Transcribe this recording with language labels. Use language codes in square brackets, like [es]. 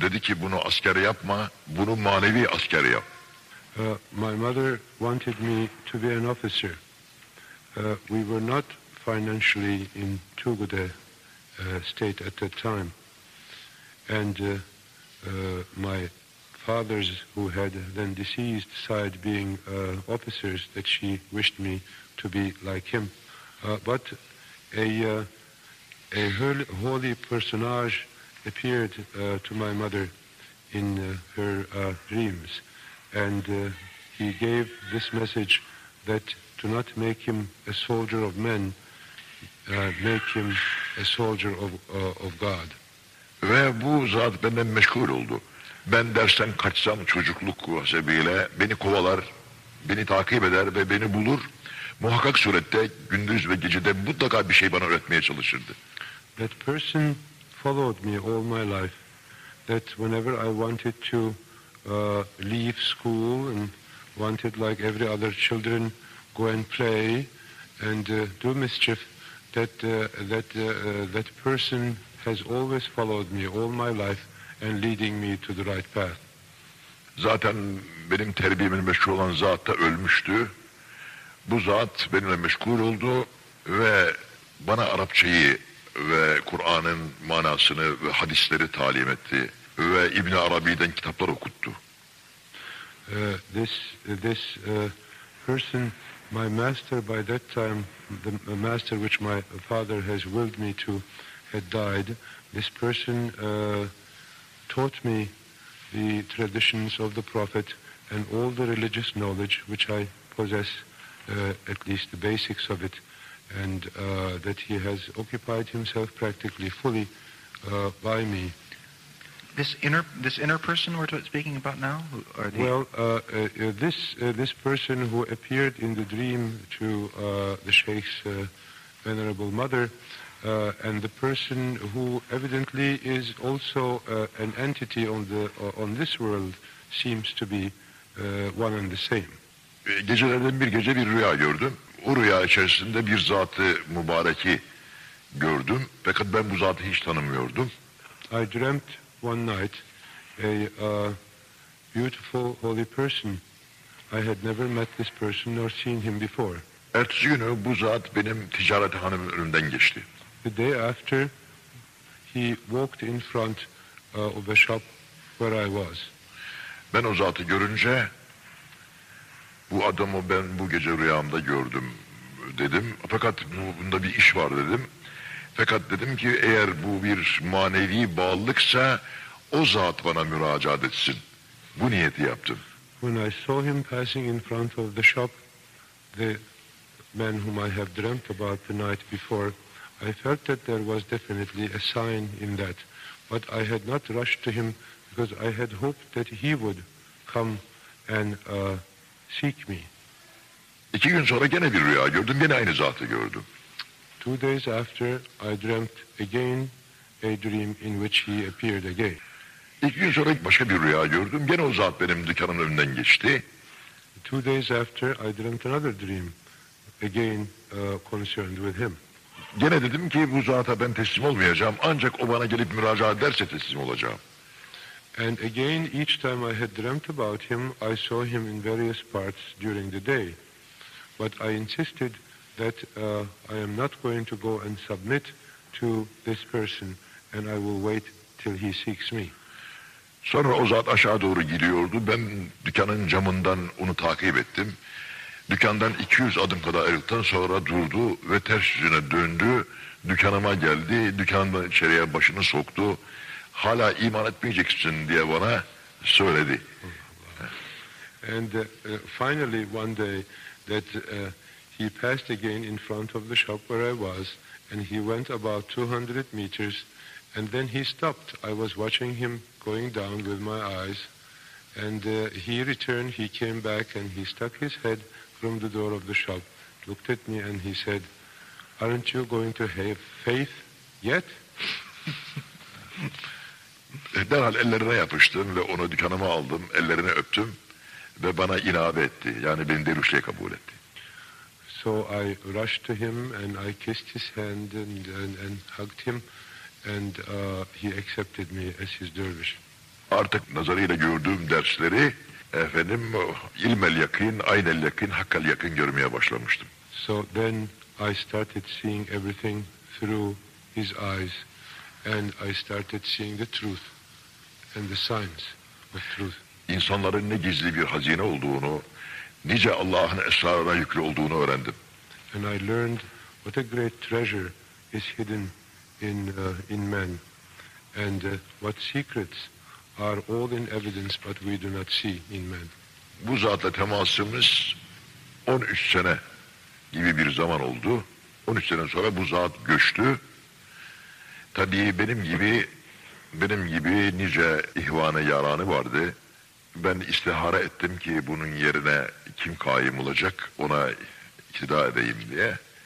[tr] Dedi ki bunu asker yapma, bunu manevi asker yap. [en] My mother wanted me to be an officer. We were not financially in too good a state at that time. And my fathers who had then deceased side being officers, that she wished me to be like him. But a holy personage appeared to my mother in her dreams, and he gave this message that to not make him a soldier of men, make him a soldier of God. [tr] Ve bu zat benden meşgul oldu. Ben dersen kaçsam çocukluk hasebiyle beni kovalar, beni takip eder ve beni bulur. Muhakkak surette gündüz ve gecede mutlaka bir şey bana öğretmeye çalışırdı. [en] That person followed me all my life. That whenever I wanted to leave school and wanted like every other children go and play and do mischief, that person has always followed me all my life and leading me to the right path. [tr] Zaten benim terbiyemin meşgul olan zat da ölmüştü. Bu zat benimle meşgul oldu ve bana Arapçayı ve Kur'an'ın manasını ve hadisleri talim etti ve İbn Arabi'den kitaplar okuttu. [en] This person, my master by that time, the master which my father has willed me to, had died. This person taught me the traditions of the Prophet and all the religious knowledge which I possess, at least the basics of it, and that he has occupied himself practically fully by me. This inner person we're speaking about now, are they? Well, this person who appeared in the dream to the Sheikh's venerable mother, and the person who evidently is also an entity on this world, seems to be one and the same. [tr] Gecelerden bir gece bir rüya gördüm. O rüya içerisinde bir zat-ı mübareki Gördüm. Fakat ben bu zatı hiç tanımıyordum. [en] I dreamt one night a beautiful holy person. I had never met this person nor seen him before. [tr] Ertesi günü bu zat benim ticarethanemin önünden geçti. [en] The day after, he walked in front of a shop where I was. [tr] Ben o zatı görünce, bu adamı ben bu gece rüyamda gördüm dedim. Fakat bunda bir iş var dedim. Fakat dedim ki eğer bu bir manevi bağlılıksa o zat bana müracaat etsin. Bu niyeti yaptım. [en] When I saw him passing in front of the shop, the man whom I have dreamt about the night before, I felt that there was definitely a sign in that. But I had not rushed to him because I had hoped that he would come and seek me. [tr] 2 gün sonra gene bir rüya gördüm, gene aynı zatı gördüm. [en] 2 days after, I dreamt again a dream in which he appeared again. [tr] 2 gün sonra başka bir rüya gördüm, gene o zat benim dükkanımın önünden geçti. [en] 2 days after, I dreamt another dream again concerned with him. [tr] Gene dedim ki bu zata ben teslim olmayacağım, ancak o bana gelip müracaat ederse teslim olacağım. [en] And again, each time I had dreamt about him, I saw him in various parts during the day. But I insisted that I am not going to go and submit to this person, and I will wait till he seeks me. [tr] Sonra o zat aşağı doğru gidiyordu. Ben dükkanın camından onu takip ettim. Dükkandan 200 adım kadar ayrıldıktan sonra durdu ve ters yüzüne döndü. Dükkanıma geldi, dükkandan içeriye başını soktu. Hala iman etmeyeceksin diye bana söyledi. [en] And finally one day that he passed again in front of the shop where I was and he went about 200 meters and then he stopped. I was watching him going down with my eyes and he returned, he came back and he stuck his head from the door of the shop, looked at me and he said, aren't you going to have faith yet? [tr] Derhal ellerine yapıştım ve onu dükkanıma aldım, ellerini öptüm ve bana inabe etti. Yani beni deruşluğa kabul etti. [en] So I rushed to him and I kissed his hand and hugged him and he accepted me as his dervish. [tr] Artık nazarıyla gördüğüm dersleri efendim ilmel yakin, aynel yakin, hakkal yakin görmeye başlamıştım. [en] So then I started seeing everything through his eyes. And I started seeing the truth and the signs of truth. [tr] İnsanların ne gizli bir hazine olduğunu, nice Allah'ın esrarına yüklü olduğunu öğrendim. [en] And I learned what a great treasure is hidden in men, and what secrets are all in evidence but we do not see in men. [tr] Bu zatla temasımız 13 sene gibi bir zaman oldu. 13 sene sonra bu zat göçtü. Tabii benim gibi nice ihvanı yaranı vardı. Ben istihara ettim ki bunun yerine kim kaim olacak, ona iktida edeyim diye.